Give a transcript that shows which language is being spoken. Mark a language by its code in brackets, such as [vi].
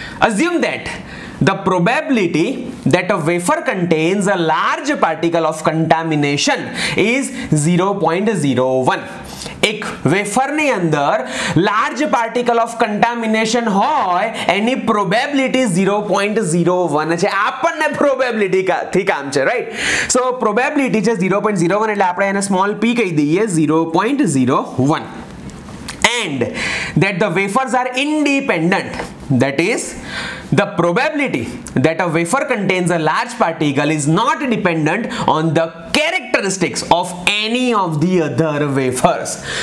[en] Assume that The probability that a wafer contains a large particle of contamination is 0.01. [gu] એક વેફરની અંદર large particle of contamination હોય એની probability 0.01 છે. આપણને પ્રોબેબિલિટીથી કામ છે, રાઈટ? સો પ્રોબેબિલિટી છે 0.01 એટલે આપણે એને સ્મોલ p કહી દઈએ, 0.01. [en] And that the wafers are independent, that is the probability that a wafer contains a large particle is not dependent on the characteristics of any of the other wafers.